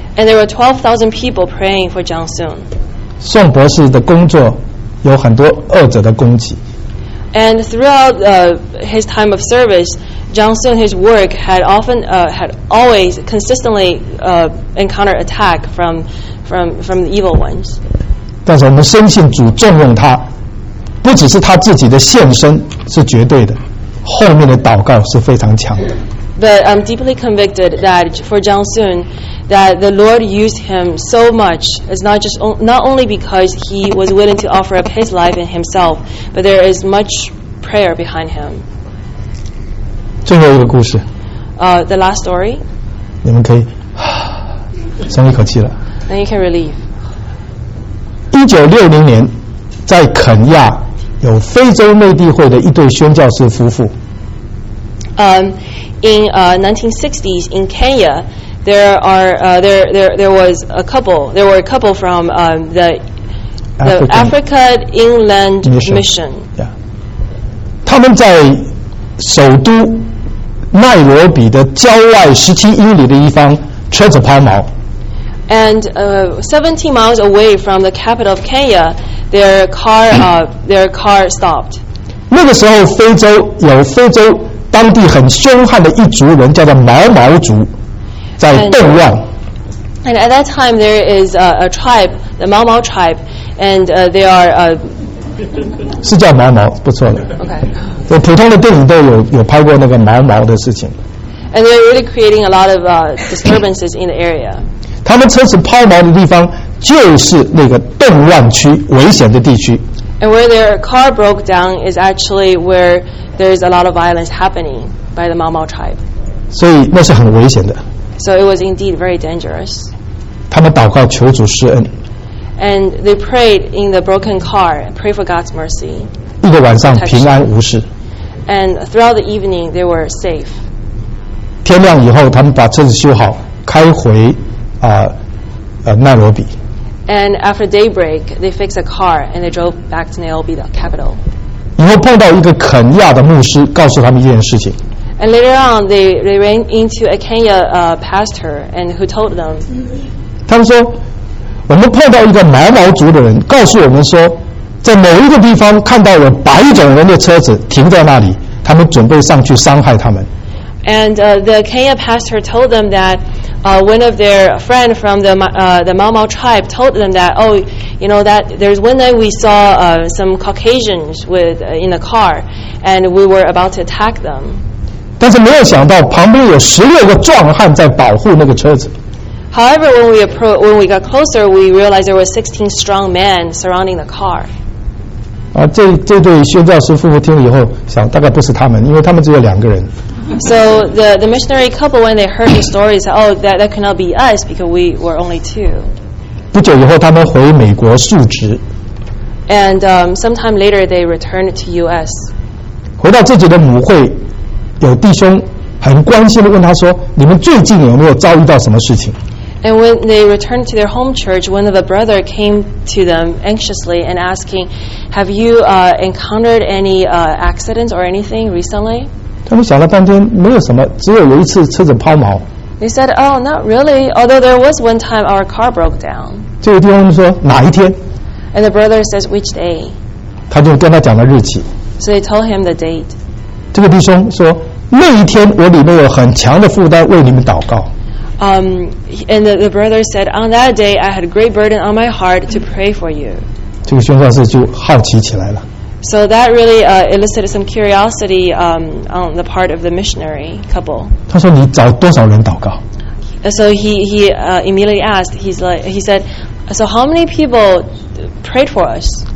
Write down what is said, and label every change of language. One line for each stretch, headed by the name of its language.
English: And there were 12,000 people praying for John Soon.
Chinese: 宋博士的工作有很多恶者的攻击。
English: And throughout his time of service, John Soon, his work had often had always consistently encountered attack from the evil ones.
Chinese: 但是我们深信主重用他，不只是他自己的献身是绝对的，后面的祷告是非常强的。
English: But I'm deeply convicted that for John Soon, that the Lord used him so much. It's not only because he was willing to offer up his life and himself, but there is much prayer behind him.
Chinese: 最后一个故事。
English: The last story.
Chinese: 你们可以松一口气了。
English: Then you can relieve.
Chinese: 1960年，在肯亚有非洲内地会的一对宣教士夫妇。
English: In 1960s in Kenya, there were a couple from the Africa Inland Mission. Yeah.
Chinese: 他们在首都奈罗比的郊外17英里的一方车子抛锚。
English: And 17 miles away from the capital of Kenya, their car stopped.
Chinese: 那个时候非洲有非洲。当地很凶悍的一族人叫做毛毛族，在动乱。
English: And at that time there is a tribe, the Mau Mau tribe, and they are
Chinese: 是叫毛毛，不错了。
English: Okay.
Chinese: 我普通的电影都有拍过那个毛毛的事情。
English: And they're really creating a lot of disturbances in the area.
Chinese: 他们车子抛锚的地方就是那个动乱区，危险的地区。
English: And where their car broke down is actually where. There is a lot of violence happening by the Mau Mau tribe.
Chinese: 所以那是很危险的。
English: So it was indeed very dangerous.
Chinese: 他们祷告求主施恩。
English: And they prayed in the broken car, pray for God's mercy.
Chinese: 一个晚上平安无事。
English: And throughout the evening, they were safe.
Chinese: 天亮以后，他们把车子修好，开回奈罗比。
English: And after daybreak, they fixed a car and they drove back to Nairobi, the capital.
Chinese: 然后碰到一个肯亚的牧师，告诉他们一件事情。
English: And later on, they ran into a Kenya pastor, and who told them.
Chinese: 他们说，我们碰到一个毛毛族的人，告诉我们说，在某一个地方看到有白种人的车子停在那里，他们准备上去伤害他们。
English: And the Kenya pastor told them that one of their friend from the Mau Mau tribe told them that oh you know that there's one night we saw some Caucasians with in a car and we were about to attack them.
Chinese: 但是没有想到旁边有16个壮汉在保护那个车子。
English: However, when we got closer, we realized there were 16 strong men surrounding the car.
Chinese: 啊，这对宣教师夫妇听了以后，想大概不是他们，因为他们只有两个人。
English: So the missionary couple, when they heard the story, said, "Oh, that cannot be us because we were only two."
Chinese: 不久以后，他们回美国述职。
English: And sometime later, they returned to U.S.
Chinese: 回到自己的母会，有弟兄很关心地问他说：“你们最近有没有遭遇到什么事情？”
English: And when they returned to their home church, one of the brother came to them anxiously and asking, "Have you encountered any accidents or anything recently?"
Chinese: 他们想了半天，没有什么，只有一次车子抛锚。
English: They said, "Oh, not really. Although there was one time our car broke down."
Chinese: 这个弟兄说：“哪一天？”
English: And the brother says, "Which day?"
Chinese: 他就跟他讲了日期。
English: So they told him the date.
Chinese: 这个弟兄说。那一天我里面有很强的负担为你们祷告
English: And the brother said on that day I had a great burden on my heart to pray for you
Chinese: 这个宣教士就好奇起来了
English: So that really elicited some curiosity on the part of the missionary couple
Chinese: 他说你找多少人祷告
English: So he immediately asked he said So how many people prayed for us